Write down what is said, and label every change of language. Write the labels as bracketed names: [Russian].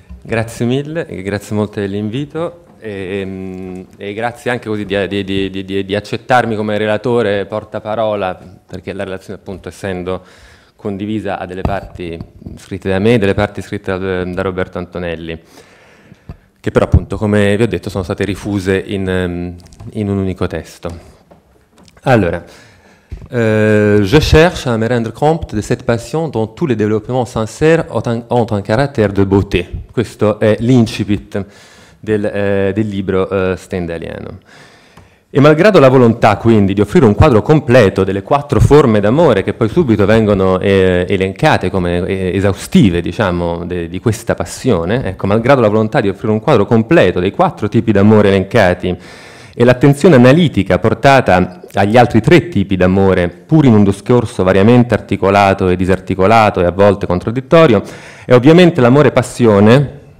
[Italian] Grazie mille, grazie molto dell'invito e grazie anche così di accettarmi come relatore portaparola, perché la relazione, appunto, essendo condivisa, ha delle parti scritte da me e delle parti scritte da Roberto Antonelli, che però, appunto, come vi ho detto, sono state rifuse in un unico testo. Allora, [French] je cherche à me rendre compte de cette passion dont tous les développements sincères ont un caractère de beauté. [Italian] Questo è l'incipit del libro stendhaliano. E malgrado la volontà quindi di offrire un quadro completo delle quattro forme d'amore che poi subito vengono elencate come esaustive, diciamo, di questa passione, ecco, malgrado la volontà di offrire un quadro completo dei quattro tipi d'amore elencati e l'attenzione analitica portata agli altri tre tipi d'amore, pur in un discorso variamente articolato e disarticolato e a volte contraddittorio, è ovviamente l'amore passione